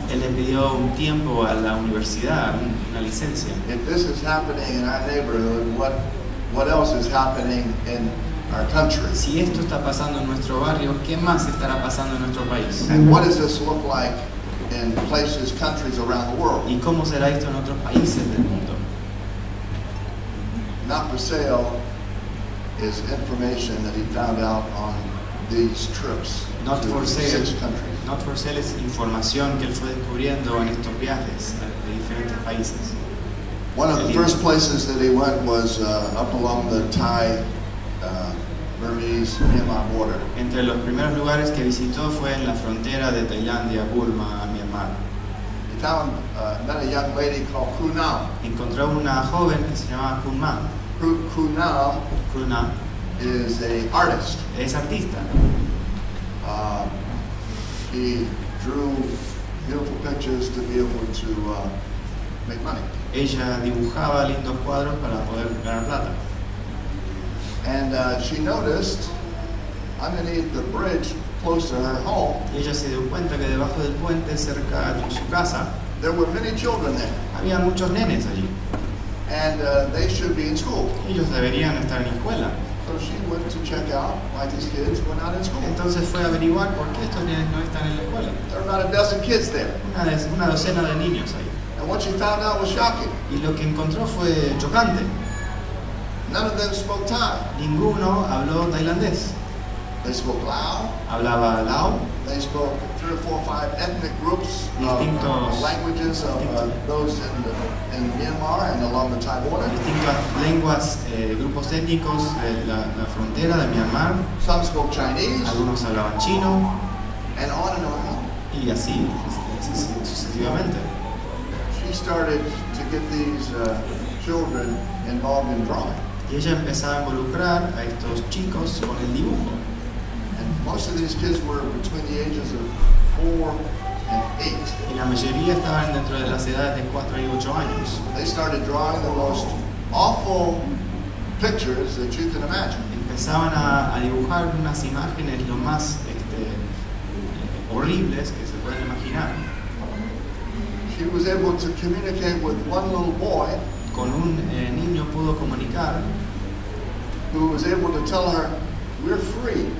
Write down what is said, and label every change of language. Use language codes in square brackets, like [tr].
[es] Él le pidió un tiempo a la universidad, una licencia. [en] If this is happening in our neighborhood, what else is happening in our country? [es] Si esto está pasando en nuestro barrio, ¿qué más estará pasando en nuestro país? [en] And what does this look like in places, countries around the world? [es] ¿Y cómo será esto en otros países del mundo? [en] Not For Sale is information that he found out on these trips not to for sale. Six countries. [es] Not For Sale is información que él fue descubriendo en estos viajes de diferentes países. [en] One of the first places that he went was up along the Thai, Burmese, Myanmar border. [es] Entre los primeros lugares que visitó fue en la frontera de Tailandia, Burma, Myanmar. [en] Met a young lady called Khun Nam. [es] Encontró una joven que se llamaba Khun Nam. [en] Khun Nam is an artist. [es] Es artista. [en] He drew beautiful pictures to be able to make money. [es] Ella dibujaba lindos cuadros para poder ganar plata. [en] And she noticed underneath the bridge close to her home. [es] Y ella se dio cuenta que debajo del puente cerca de su casa. [en] There were many children there. [es] Había muchos nenes allí. [en] And they should be in school. [es] Ellos deberían estar en la escuela. [en] So she went to check out why these kids were not in school. [es] Entonces fue a averiguar por qué estos nenes no están en la escuela. [en] There were about a dozen kids there. [es] Una docena de niños ahí. [en] And what she found out was shocking. [es] Y lo que encontró fue chocante. [en] None of them spoke Thai. [es] Ninguno habló tailandés. [en] They spoke Lao. [es] Hablaba Lao. [en] They spoke three or four or five ethnic groups, [es] distintos [en] languages of those in Myanmar and along the Thai border. [es] Distintas lenguas, grupos étnicos de la frontera de Myanmar. [en] Some spoke Chinese. [es] Algunos hablaban chino. [en] And on and on. [es] Y así sucesivamente. [en] She started to get these children involved in drawing. [es] Y ella empezaba a involucrar a estos chicos con el dibujo. [en] Most of these kids were between the ages of 4 and 8. [es] Y la mayoría estaban dentro de las edades de 4 y 8 años. [en] They started drawing the most awful pictures that you can imagine. [es] Empezaban a dibujar unas imágenes lo más horribles que se pueden imaginar. [en] She was able to communicate with one little boy. [es] Con un niño pudo comunicar. [en] Who was able to tell her, "We're free."